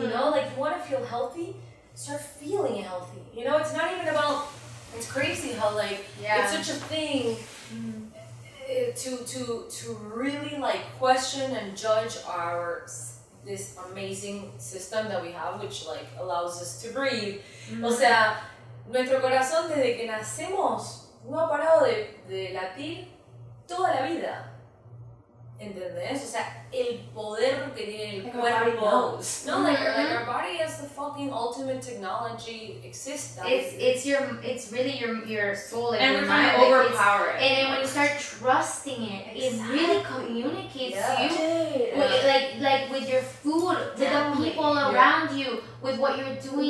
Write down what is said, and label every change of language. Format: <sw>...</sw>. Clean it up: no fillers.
<en>You know, like, you want to feel healthy, start feeling healthy. You know, it's not even about, it's crazy how like, it's such a thing to really like question and judge our, this amazing system that we have, which like allows us to breathe. Mm-hmm.</en> <es>O sea, nuestro corazón desde que nacemos no ha parado de latir toda la vida. ¿Entendés? O sea, el poder que tiene el cuerpo.</es> <en>No, like our body is the fucking ultimate technology exists. It's really your soul. And we're trying to overpower it. And then when you start trusting it, it really communicates to you. Yeah. Like with your food, with the people around you, with what you're doing,</en>